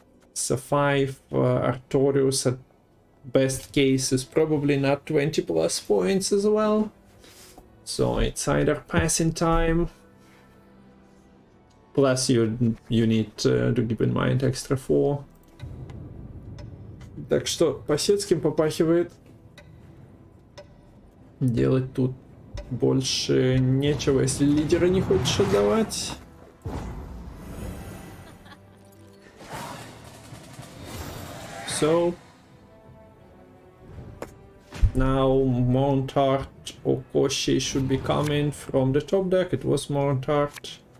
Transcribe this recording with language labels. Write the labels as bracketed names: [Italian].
[English] It's a 5, Artorius at best case is probably not 20 plus points as well. So it's either passing time. Plus you need to keep in mind extra 4. [Russian] Так что, по сетским попахивает. Делать тут больше нечего, если лидера не хочешь отдавать. [English] So, now Mount Art or Koshchey should be coming from the top deck. It was Mount Art.